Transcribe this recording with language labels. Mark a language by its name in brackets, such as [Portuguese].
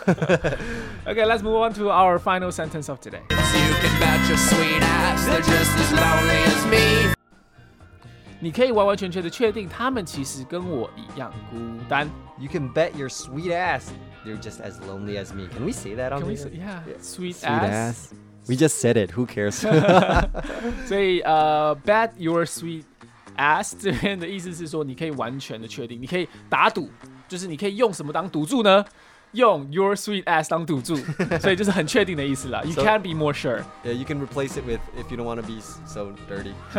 [English] Okay, let's move on to our final sentence of today. You can bet your sweet ass, they're just as lonely as me. [Chinese] 你可以完完全全的确定他们其实跟我一样孤单。 [English] You can bet your sweet ass... They're just as lonely as me. Can we say that on the air? Yeah. Sweet ass. We just said it. Who cares? So, bet your sweet ass. [Chinese] 这边的意思是说你可以完全的确定。你可以打赌。就是你可以用什么当赌注呢? 用 [English] your sweet ass [Chinese] 当赌注。所以就是很确定的意思啦。 [English] You can't be more sure. Yeah, you can replace it with, if you don't want to be so dirty.